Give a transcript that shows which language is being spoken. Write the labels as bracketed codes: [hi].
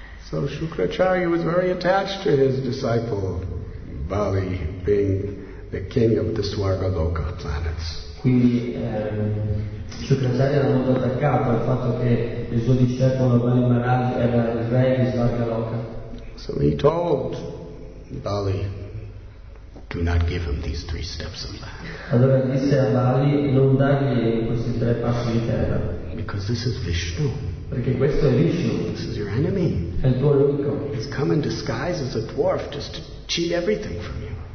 [en] So Shukracharya was very attached to his disciple, Bali, being the king of the Swargaloka planets. [it] Quindi Shukracharya era molto attaccato al fatto che il suo discepolo Bali Maharaj era il re di Swargaloka. [en] So he told Bali, do not give him these three steps of land. [it] Allora disse a Bali, non dargli questi tre passi di terra. [en] Because this is Vishnu. [it] Perché questo è Vishnu. [en] This is your enemy. [it] È il tuo nemico. [en] He's come in disguise as a dwarf just to cheat everything from you.